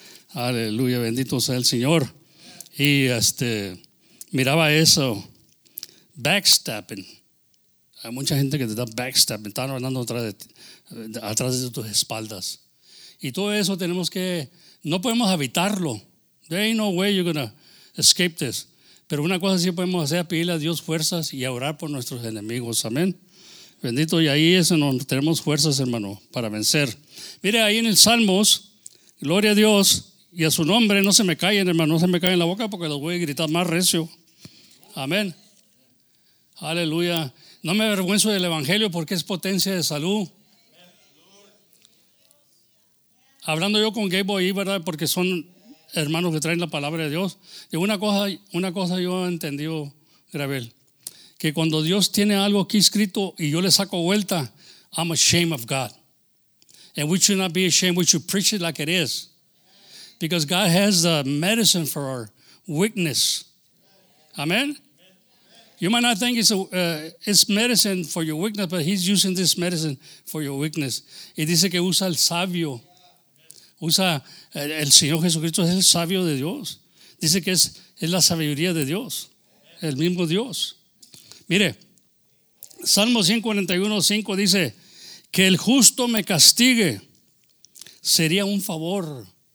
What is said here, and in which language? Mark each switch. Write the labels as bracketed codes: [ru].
[es] Aleluya. Bendito sea el Señor. Y miraba eso. Backstabbing. Hay mucha gente que te da backstabbing. Están andando atrás de tus espaldas. Y todo eso tenemos que, no podemos evitarlo. [en] There ain't no way you're going to escape this. [es] Pero una cosa sí podemos hacer, pedirle a Dios fuerzas y orar por nuestros enemigos. Amén. Bendito, y ahí es en donde tenemos fuerzas, hermano, para vencer. Mire, ahí en el Salmos, gloria a Dios y a su nombre, no se me callen, hermano, no se me callen la boca porque los voy a gritar más recio. Amén. Aleluya. No me avergüenzo del Evangelio porque es potencia de salud. Hablando yo con Gabe ahí, ¿verdad? Porque son hermanos que traen la palabra de Dios. Y una cosa yo he entendido, Gravel, que cuando Dios tiene algo aquí escrito y yo le saco vuelta, [en] I'm ashamed of God. And we should not be ashamed, we should preach it like it is. Because God has the medicine for our weakness. Amen? You might not think it's medicine for your weakness, but he's using this medicine for your weakness. [es] Y dice que usa el sabio. Usa el Señor Jesucristo, es el sabio de Dios. Dice que es la sabiduría de Dios, el mismo Dios. Mire, Salmo 141:5 dice, que el justo me castigue sería un favor.